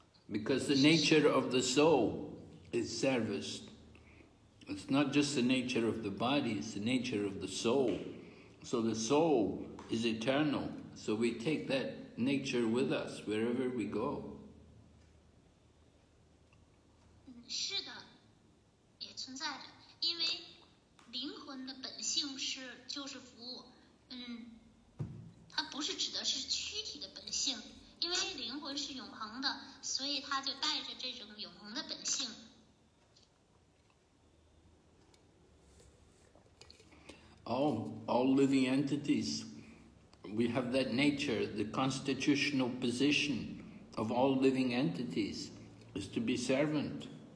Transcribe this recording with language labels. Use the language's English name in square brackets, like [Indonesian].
[English] Because the nature of the soul is service. It's not just the nature of the body, it's the nature of the soul. So the soul is eternal, so we take that nature with us wherever we go. [Chinese] 是的,也存在着,因为灵魂的本性就是服务,它不是指的是躯体的本性,因为灵魂是永恒的,所以它就带着这种永恒的本性。 [English] All living entities, we have that nature, the constitutional position of all living entities is to be servant.